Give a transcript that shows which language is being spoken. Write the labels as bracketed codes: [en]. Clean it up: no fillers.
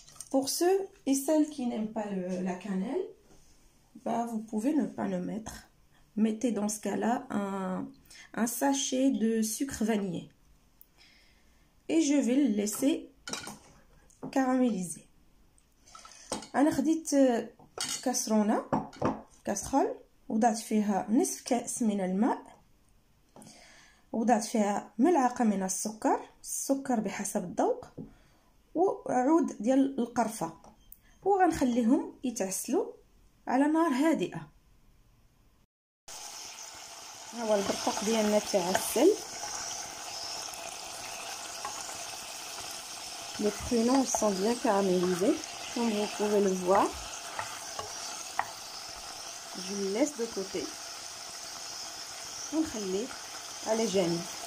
[fr] Pour ceux et celles qui n'aiment pas la cannelle, bah vous pouvez ne pas le mettre. Mettez dans ce cas-là un sachet de sucre vanillé. Et je vais le laisser caraméliser. Alors, dites casserole. [ar] وضعت فيها نصف كأس من الماء، وضعت فيها ملعقة من السكر، السكر بحسب الذوق، وعود ديال القرفة، وغنخليهم يتعسلوا على نار هادئة. ها هو البرقوق ديالنا تعسل، [fr] les prunes sont bien caramélisées comme vous pouvez le voir. Je le laisse de côté. On va le laisser à l'aigle.